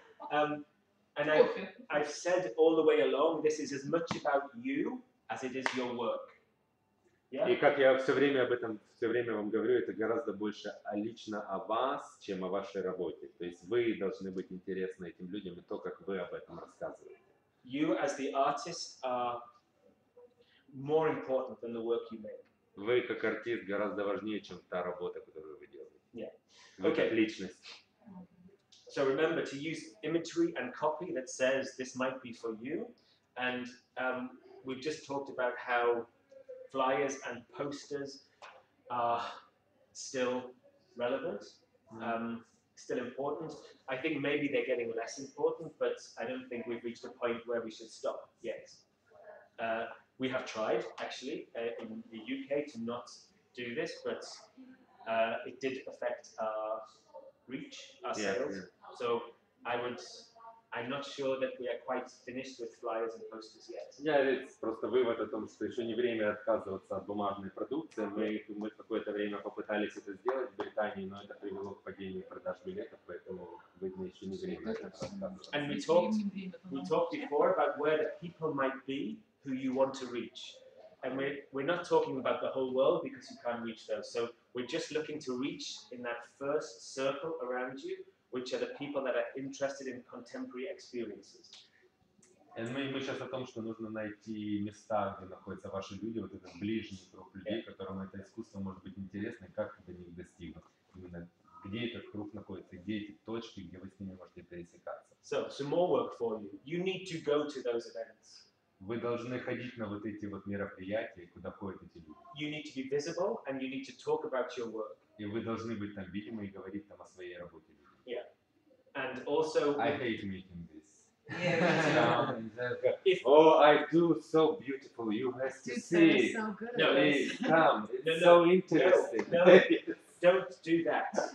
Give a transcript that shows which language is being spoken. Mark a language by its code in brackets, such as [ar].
[en] And I've said all the way along, this is as much about you as it is your work. [ru] Yeah? И как я все время об этом, все время вам говорю, это гораздо больше лично о вас, чем о вашей работе. То есть вы должны быть интересны этим людям и то, как вы об этом рассказываете. [en] You as the artist are more important than the work you make. [ru] Вы как артист гораздо важнее, чем та работа, которую вы делаете. [en] Yeah. [ru] Вы как личность. [en] So remember to use imagery and copy that says this might be for you. And we've just talked about how flyers and posters are still relevant, still important. I think maybe they're getting less important, but I don't think we've reached a point where we should stop yet. We have tried, actually, in the UK to not do this, but it did affect our reach, our sales. Yeah. So I'm not sure that we are quite finished with flyers and posters yet. Yeah, it's [ru] просто вывод о том, что еще не время отказываться от бумажной продукции. Мы какое-то время попытались это сделать в Британии, но это привело к падению продаж билетов, поэтому видно еще не время. [en] And we talked before about where the people might be who you want to reach. And we're not talking about the whole world because you can't reach those. So we're just looking to reach in that first circle around you. Which are the people that are interested in contemporary experiences? [ru] And мы сейчас о том, что нужно найти места, где находятся ваши люди, вот этот ближний круг людей, которым это искусство может быть интересно, и как это до них достигнут. Именно где этот круг находится, где эти точки, где вы с ними можете пересекаться. [en] So, some more work for you. You need to go to those events. [ru] Вы должны ходить на вот эти вот мероприятия, куда ходят эти люди. [en] You need to be visible, and you need to talk about your work. [ru] И вы должны быть там видимы и говорить там о своей работе. [en] Yeah, and also I hate making this. Yeah. Oh, I do so beautiful. You have to see. So good. No, please come. It's so interesting. No, don't do that.